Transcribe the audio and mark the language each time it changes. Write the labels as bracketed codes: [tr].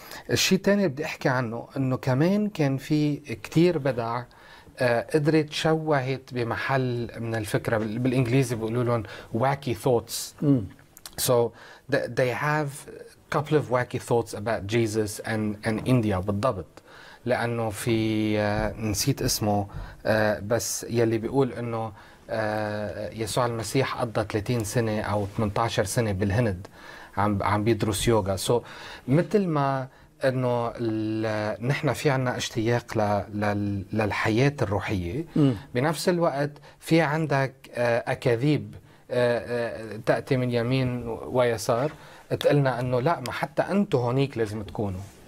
[ar] الشيء الثاني بدي أحكي عنه أنه كمان كان في كتير بدع قدرت شوهت بمحل من الفكرة، بالإنجليزي بيقولوا لهم [en] wacky thoughts. So they have couple of wacky thoughts about Jesus and India [ar] بالضبط. لأنه في نسيت اسمه بس يلي بيقول أنه يسوع المسيح قضى 30 سنة أو 18 سنة بالهند عم بيدرس يوغا. سو مثل ما انه نحن في عنا اشتياق للحياة الروحية بنفس الوقت في عندك اكاذيب تأتي من يمين ويسار تقلنا انه لا ما حتى انتو هونيك لازم تكونوا.